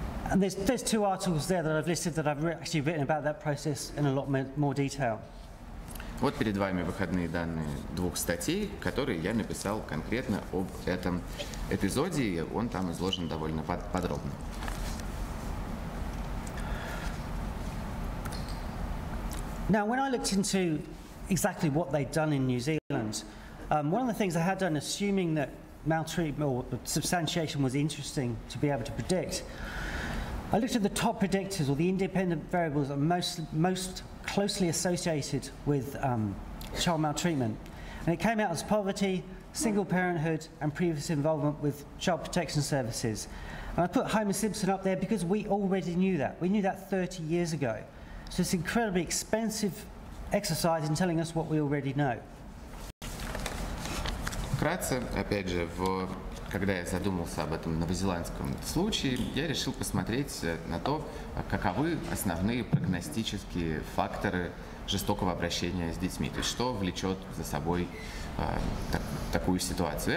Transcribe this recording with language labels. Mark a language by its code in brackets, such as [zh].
[en] And there's two articles there that I've listed that I've actually written about that process in a lot more detail. [ru] Вот перед вами выходные данные двух статей, которые я написал конкретно об этом эпизоде, и он там изложен довольно подробно. [en] Now, when I looked into exactly what they'd done in New Zealand, one of the things I had done, assuming that maltreatment or substantiation was interesting to be able to predict, I looked at the top predictors, or the independent variables that are most closely associated with child maltreatment, And it came out as poverty, single parenthood, and previous involvement with child protection services. And I put Homer Simpson up there because we already knew that. We knew that 30 years ago. So it's an incredibly expensive exercise in telling us what we already know. [ru] Вкратце, опять же, когда я задумался об этом новозеландском случае, я решил посмотреть на то, каковы основные прогностические факторы жестокого обращения с детьми, то есть что влечет за собой такую ситуацию.